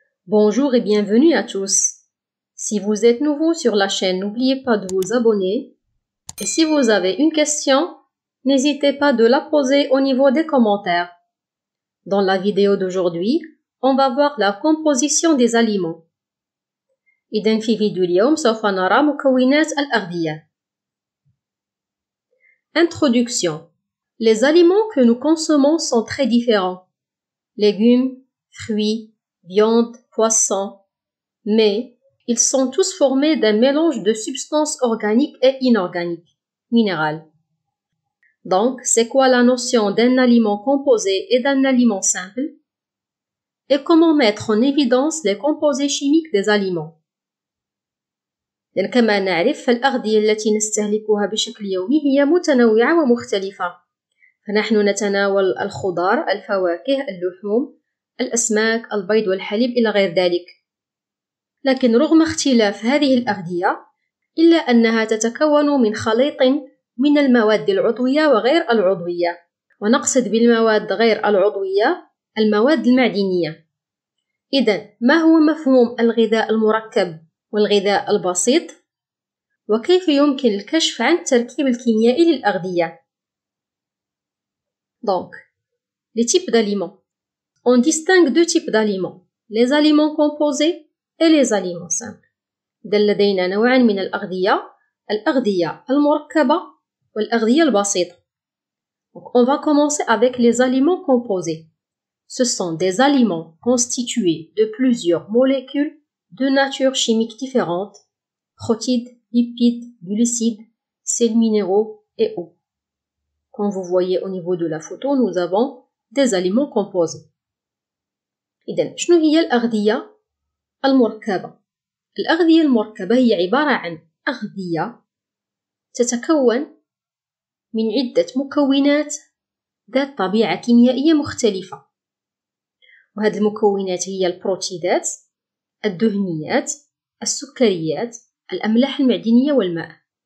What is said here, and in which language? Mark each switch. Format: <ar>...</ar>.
<fr>Bonjour et bienvenue à tous. Si vous êtes nouveau sur la chaîne, n'oubliez pas de vous abonner. Et si vous avez une question, n'hésitez pas de la poser au niveau des commentaires. Dans la vidéo d'aujourd'hui, on va voir la composition des aliments.</fr> <ar>إذن في فيديو اليوم سوف نرى مكونات الأغذية.</ar> <fr>Introduction. Les aliments que nous consommons sont très différents. Légumes, fruits, viande, poisson, mais ils sont tous formés d'un mélange de substances organiques et inorganiques, minérales. Donc, c'est quoi la notion d'un aliment composé et d'un aliment simple? Et comment mettre en évidence les composés chimiques des aliments?</fr> <ar>كما نعرف فالأغذية التي نستهلكها بشكل يومي هي متنوعة ومختلفة. فنحن نتناول الخضار، الفواكه، اللحوم، الأسماك، البيض والحليب إلى غير ذلك. لكن رغم اختلاف هذه الأغذية، إلا أنها تتكون من خليط من المواد العضوية وغير العضوية. ونقصد بالمواد غير العضوية المواد المعدنية. إذن ما هو مفهوم الغذاء المركب؟ والغذاء البسيط وكيف يمكن الكشف عن التركيب الكيميائي للأغذية</ar> <fr>Donc, les types d'aliments. On distingue deux types d'aliments, les aliments composés et les aliments simples.</fr> <ar>دل لدينا نوعا من الأغذية, الأغذية المركبة والأغذية البسيطة.</ar> <fr>Donc, on va commencer avec les aliments composés. Ce sont des aliments constitués de plusieurs molécules de nature chimique différente, protides, lipides, glucides, sels minéraux et eau. Comme vous voyez au niveau de la photo, nous avons des aliments composés.</fr> <ar>إذن شنو هي الأغذية المركبة؟ الأغذية المركبة هي عبارة عن أغذية تتكون من عدة مكونات ذات طبيعة كيميائية مختلفة. وهذه المكونات هي البروتيدات الدهنيات، السكريات، الأملاح المعدنية والماء.</ar>